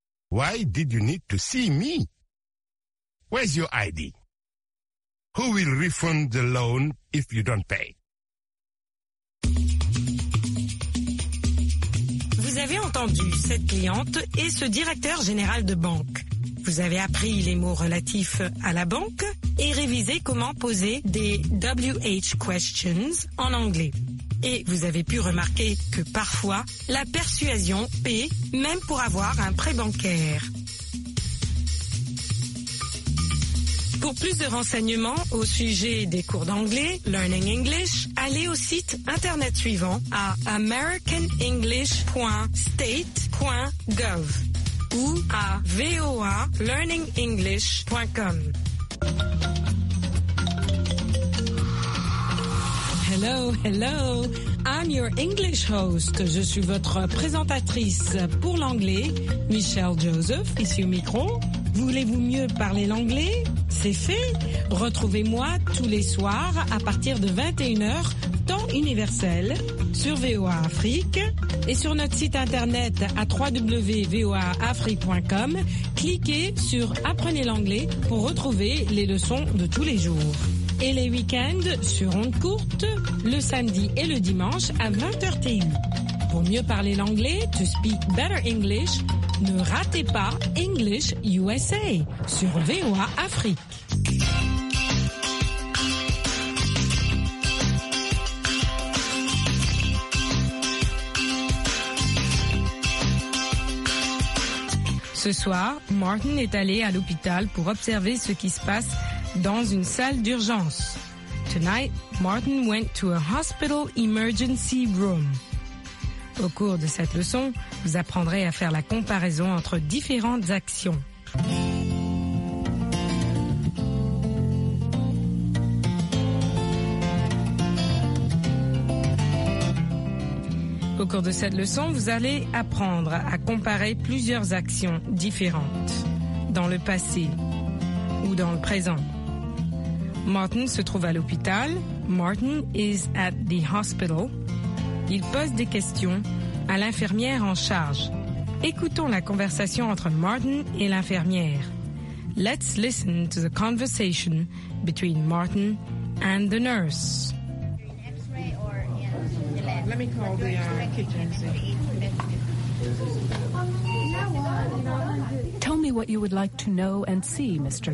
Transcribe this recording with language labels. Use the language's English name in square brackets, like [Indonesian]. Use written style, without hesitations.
[English] Why did you need to see me? Where's your ID? Who will refund the loan if you don't pay? [French] Vous avez entendu cette cliente et ce directeur général de banque. Vous avez appris les mots relatifs à la banque et révisé comment poser des WH questions en anglais. Et vous avez pu remarquer que parfois, la persuasion paie même pour avoir un prêt bancaire. Pour plus de renseignements au sujet des cours d'anglais, Learning English, allez au site internet suivant à americanenglish.state.gov ou à voalearningenglish.com. [English] Hello, hello, I'm your English host. [French] Je suis votre présentatrice pour l'anglais, Michelle Joseph, ici au micro. Voulez-vous mieux parler l'anglais? C'est fait! Retrouvez-moi tous les soirs à partir de 21h, temps universel, sur VOA Afrique et sur notre site internet à www.voaafrique.com. Cliquez sur Apprenez l'anglais pour retrouver les leçons de tous les jours. Et les week-ends sur ondes courtes, le samedi et le dimanche à 20h TU. Pour mieux parler l'anglais, to speak better English, ne ratez pas English USA sur VOA Afrique. Ce soir, Martin est allé à l'hôpital pour observer ce qui se passe dans une salle d'urgence. [English] Tonight, Martin went to a hospital emergency room. [French] Au cours de cette leçon, vous apprendrez à faire la comparaison entre différentes actions. Au cours de cette leçon, vous allez apprendre à comparer plusieurs actions différentes dans le passé ou dans le présent. Martin se trouve à l'hôpital. [English] Martin is at the hospital. [French] Il pose des questions à l'infirmière en charge. Écoutons la conversation entre Martin et l'infirmière. [English] Let's listen to the conversation between Martin and the nurse. Let me call the kitchen. Tell me what you would like to know and see, Mr.